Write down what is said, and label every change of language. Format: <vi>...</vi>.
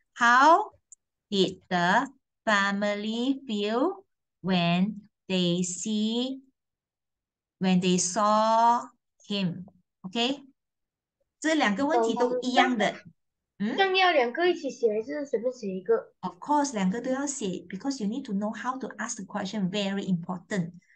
<en>How did the family feel when they saw him?</en> <zh>Okay, 这两个问题都一样的。这样要两个一起写还是随便写一个?</zh> <en>Of course,</en> <zh>两个都要写,</zh> <en>because you need to know how to ask the question, very important.</en>